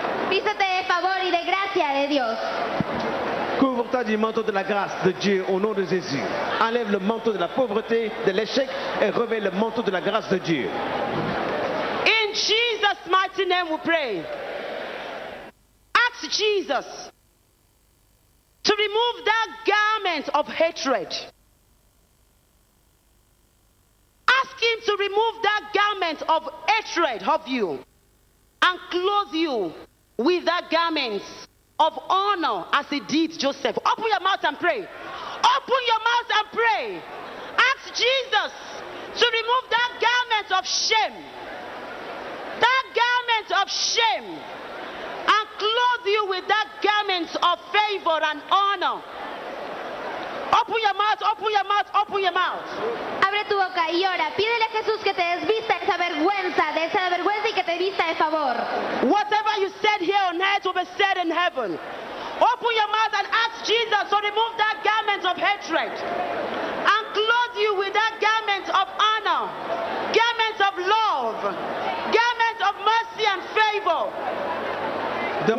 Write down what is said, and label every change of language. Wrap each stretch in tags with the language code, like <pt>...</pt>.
<es>Vístete de favor y de gracia de Dios.</es> <fr>Couvre-toi du manteau de la grâce de Dieu au nom de Jésus. Enlève le manteau de la pauvreté, de l'échec et revêt le manteau de la grâce de Dieu.</fr> <en>In Jesus' mighty name we pray. Ask Jesus to remove that garment of hatred. Ask him to remove that garment of hatred of you and clothe you with that garment of honor as he did Joseph. Open your mouth and pray. Open your mouth and pray. Ask Jesus to remove that garment of shame. That garment of shame and clothe you with that garment of favor and honor. Open your mouth, open your mouth, open your mouth.</en> <es>Abre tu boca y ora. Pídele a Jesús que te desvista de esa vergüenza y que te vista de favor.</es> <en>Whatever you said here on earth will be said in heaven. Open your mouth and ask Jesus to remove that garment of hatred and clothe you with that garment of honor, garment of love, garment of mercy and favor.</en>